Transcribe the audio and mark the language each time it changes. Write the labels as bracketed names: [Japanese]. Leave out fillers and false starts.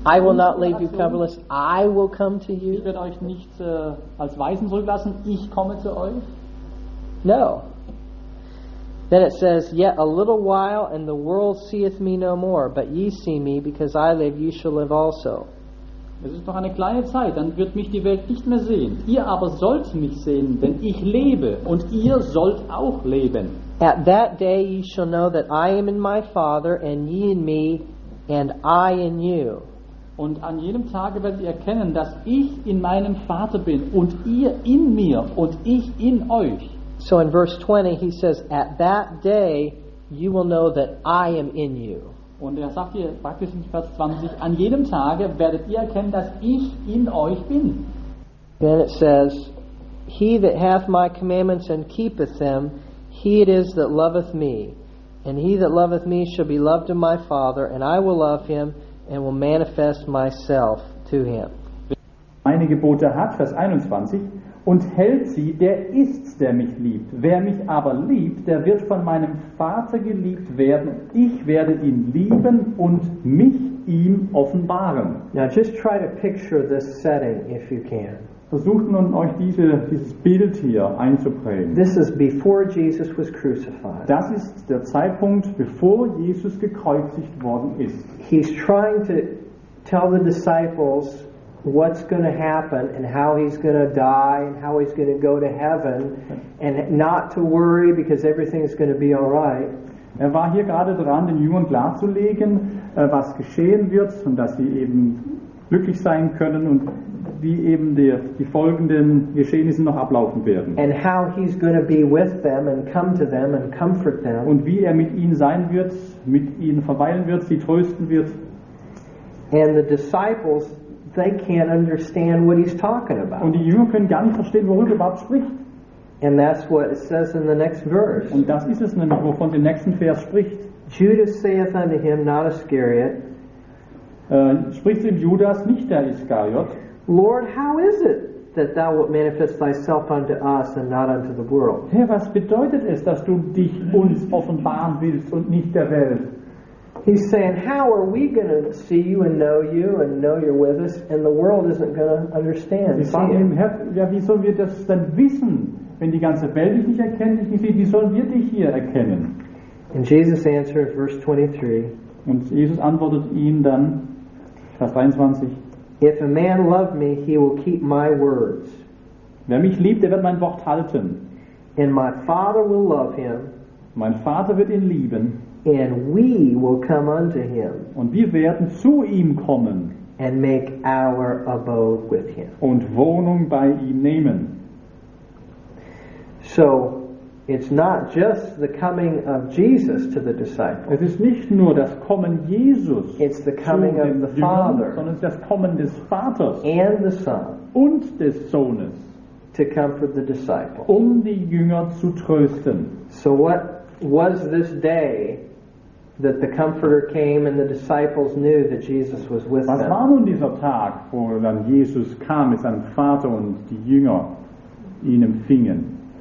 [English] I will not leave you comfortless. I will come to you. [German] Ich werde euch nicht als Waisen zurücklassen. Ich komme zu euch. [English] No. Then it says, yet a little while and the world seeth me no more, but ye see me, because I live, ye shall live also. [German] Es ist noch eine kleine Zeit, dann wird mich die Welt nicht mehr sehen. Ihr aber sollt mich sehen, denn ich lebe und ihr sollt auch leben. [English] At that day ye shall know that I am in my Father, and ye in me, and I in you. [German] Und an jedem Tage werdet ihr erkennen, dass ich in meinem Vater bin und ihr in mir und ich in euch. [English] So in verse 20 he says, at that day you will know that I am in you. [German] Und sagt hier praktisch in Vers 20, an jedem Tage werdet ihr erkennen, dass ich in euch bin. [English] Then it says, he that hath my commandments and keepeth them, he it is that loveth me. And he that loveth me shall be loved of my Father, and I will love him and will manifest myself to him. [German] Meine Gebote hat, Vers 21, und hält sie, der ist's, der mich liebt. Wer mich aber liebt, der wird von meinem Vater geliebt werden. Ich werde ihn lieben und mich ihm offenbaren. [English] Now just try to picture this setting if you can. [German] Versucht nun euch dieses Bild hier einzuprägen. [English] This is before Jesus was crucified. [German] Das ist der Zeitpunkt, bevor Jesus gekreuzigt worden ist. [English] He's trying to tell the disciples what's going to happen and how he's going to die and how he's going to go to heaven and not to worry because everything is going to be all right. [German] Er war hier gerade dran, den Jüngern klarzulegen, was geschehen wird und dass sie eben glücklich sein können und wie eben die folgenden Geschehnisse noch ablaufen werden. [English] And how he's going to be with them and come to them and comfort them. [German] Und wie er mit ihnen sein wird, mit ihnen verweilen wird, sie trösten wird. [English] And the disciples, they can't understand what he's talking about. [German] Und die Jünger können gar nicht verstehen, worüber er überhaupt spricht. [English] And that's what it says in the next verse. [German] Und das ist es nämlich, wovon der nächsten Vers spricht. [English] Judas saith unto him, not Iscariot. [German] Spricht ihm Judas, nicht der Iskariot. [English] Lord, how is it that thou wilt manifest thyself unto us and not unto the world? [German] Herr, was bedeutet es, dass du dich uns offenbaren willst und nicht der Welt? [English] He's saying, how are we going to see you and know you're with us and the world isn't going to understand? [German] Wir sagen ihm, Herr, ja, wie sollen wir das denn wissen, wenn die ganze Welt dich nicht erkennt, dich nicht sieht, wie sollen wir dich hier erkennen? [English] And Jesus answered, verse 23. [German] Und Jesus antwortet ihm dann, Vers 23. [English] If a man love me, he will keep my words. [German] Wer mich liebt, der wird mein Wort halten. [English] And my Father will love him. [German] Mein Vater wird ihn lieben. [English] And we will come unto him. [German] Und wir werden zu ihm kommen. [English] And make our abode with him. [German] Und Wohnung bei ihm nehmen. [English] So, it's not just the coming of Jesus to the disciples. [German] Es ist nicht nur das Kommen Jesus. [English] It's the coming of the Father. [German] Sondern das Kommen des Vaters. [English] And the Son. [German] Und des Sohnes. [English] To comfort the disciples. [German] Um die Jünger zu trösten. [English] So what was this day that the Comforter came and the disciples knew that Jesus was with them? [German] Was war nun dieser Tag, wo dann Jesus kam mit seinem Vater und die Jünger ihn empfingen?